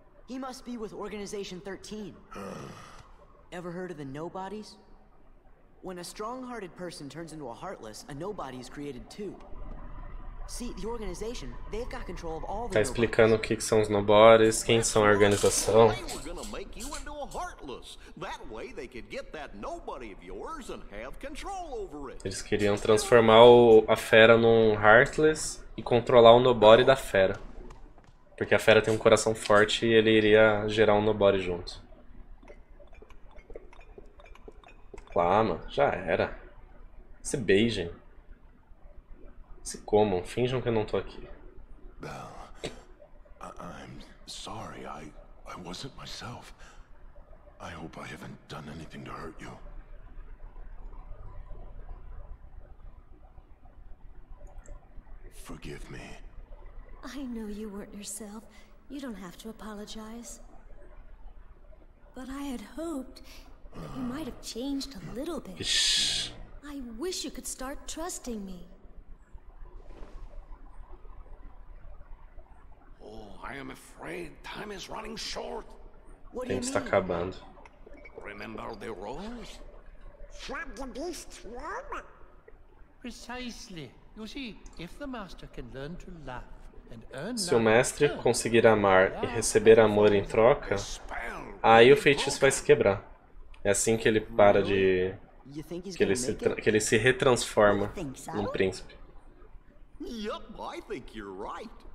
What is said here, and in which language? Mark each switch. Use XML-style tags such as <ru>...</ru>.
<en>He must be with Organization 13. Ever heard of the Nobodies? When a strong-hearted person turns into a heartless, a nobody is created too. See, the organization, they've got control of all the</en> <pt>Nobodies. Tá explicando o que são os Nobodies, quem são a organização.</pt> <en>We're gonna make you into a heartless. That way they could get that nobody of yours and have control over it.</en> <pt>Eles queriam transformar a fera num heartless e controlar o nobody da fera. Porque a fera tem um coração forte e ele iria gerar um nobody junto. Clama, já era. Se beijem. Se comam, finjam que eu não tô aqui.</pt> <en>Bell, I'm sorry, I wasn't myself. I hope I haven't done anything to hurt you. Forgive me. I know you weren't yourself. You don't have to apologize. But I had hoped that you might have changed a little bit. Shh. I wish you could start trusting me. Oh, I am afraid time is running short. What do you</en> <pt>mean? Tempo está acabando.</pt> <en>Remember the rose? Trap the beast's mama. Precisely. You see, if the master can learn to laugh.</en> <pt>Se o mestre conseguir amar e receber amor em troca, aí o feitiço vai se quebrar. É assim que ele para de... Que ele se retransforma num príncipe.</pt> <en>Yup, I think you're right.</en>